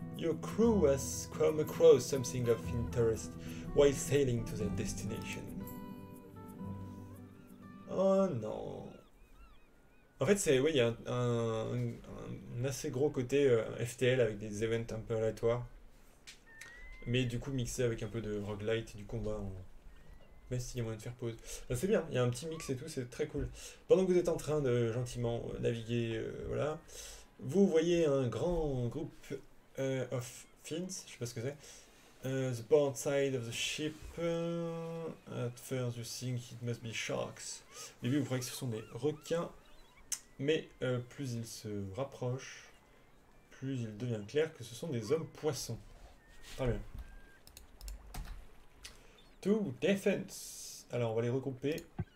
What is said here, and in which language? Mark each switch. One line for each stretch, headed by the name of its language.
English: Your crew has come across something of interest while sailing to their destination.
French: Oh non. En fait, c'est oui, il y a un assez gros côté FTL avec des events un peu aléatoires. Mais du coup, mixé avec un peu de roguelite et du combat. En... Même s'il y a moyen de faire pause. Ben, c'est bien, il y a un petit mix et tout, c'est très cool. Pendant que vous êtes en train de gentiment naviguer, voilà, vous voyez un grand groupe.
English: Of fins,
French: je sais pas ce que c'est.
English: The port side of the ship. At first you think it must be sharks.
French: Au début, vous croyez que ce sont des requins. Mais plus ils se rapprochent, plus il devient clair que ce sont des hommes poissons. Très bien.
English: To defense.
French: Alors, on va les regrouper.